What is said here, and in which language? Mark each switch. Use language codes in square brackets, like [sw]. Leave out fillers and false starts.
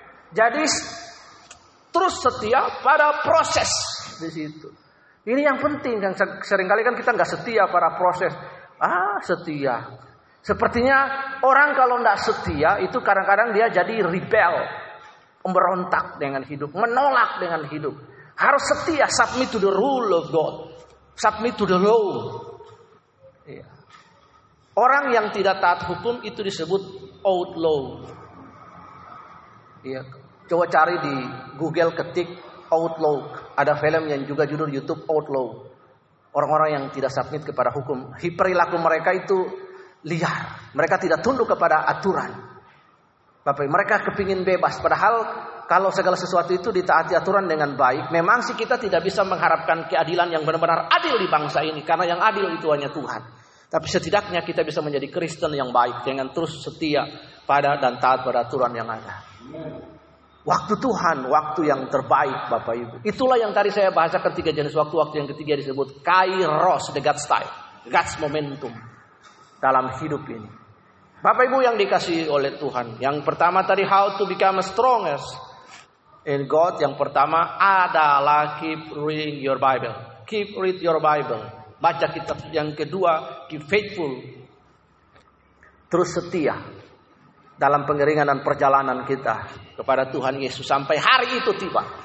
[id] Jadi terus setia pada proses di situ. Ini yang penting. Yang seringkali kan kita enggak setia pada proses. Setia. Sepertinya orang kalau enggak setia itu kadang-kadang dia jadi rebel, memberontak dengan hidup, menolak dengan hidup. Harus setia, [en] submit to the rule of God. Submit to the law. Ya. [id] Orang yang tidak taat hukum itu disebut outlaw. Ya. Coba cari di Google, ketik outlaw. Ada film yang juga judul YouTube outlaw. Orang-orang yang tidak submit kepada hukum, perilaku mereka itu liar. Mereka tidak tunduk kepada aturan. Bapak, mereka kepingin bebas. Padahal kalau segala sesuatu itu ditaati aturan dengan baik, memang sih kita tidak bisa mengharapkan keadilan yang benar-benar adil di bangsa ini. Karena yang adil itu hanya Tuhan. Tapi setidaknya kita bisa menjadi Kristen yang baik dengan terus setia pada dan taat pada aturan yang ada. Waktu Tuhan, waktu yang terbaik, Bapak Ibu. Itulah yang tadi saya bahasakan tiga jenis waktu. Waktu yang ketiga disebut kairos, [en] the God's time, God's momentum [id] dalam hidup ini. Bapak Ibu yang dikasihi oleh Tuhan. Yang pertama tadi, [en] how to become strongest in God. [id] Yang pertama adalah [en] keep reading your Bible. Keep read your Bible. [id] Baca kitab. Yang kedua, [en] keep faithful. [id] Terus setia dalam pengiringan dan perjalanan kita kepada Tuhan Yesus sampai hari itu tiba.